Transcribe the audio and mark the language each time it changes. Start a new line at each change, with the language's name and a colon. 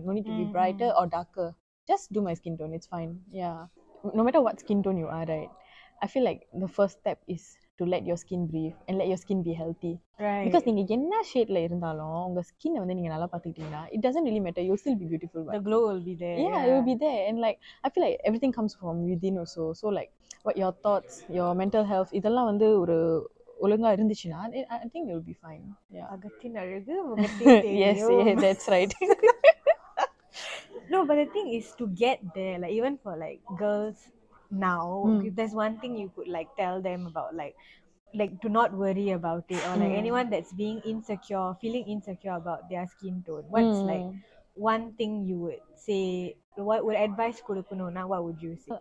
English: No need to be brighter or darker, just to my skin tone, it's fine. Yeah, no matter what skin tone you are, right, I feel like the first step is to let your skin breathe and let your skin be healthy. Right. Because
Tamil: நீங்க என்ன ஷேட்ல இருந்தாலும் உங்க skin வந்து நீங்க நல்லா பாத்துக்கிட்டீங்கன்னா,
English: it doesn't really matter, you'll still be beautiful. The glow will be there. Yeah, it will be there. And like, I feel like everything comes from within also. So like, what your thoughts, your mental health,
Tamil: இதெல்லாம் வந்து ஒரு ஒழுங்கா இருந்துச்சுன்னா,
English: I think it will be fine. Yeah.
Tamil: அகத்தின் அழகு முகத்தில் தெரியும்.
English: Yes, yeah, that's right. No, but the thing is to get there, like even for like girls now, if there's one thing you could like tell them about, like to not worry about it, or like anyone that's being insecure, feeling insecure about their skin tone, what's like one thing you would say, what would advice
Tamil: kudukuno na,
English: what would you say?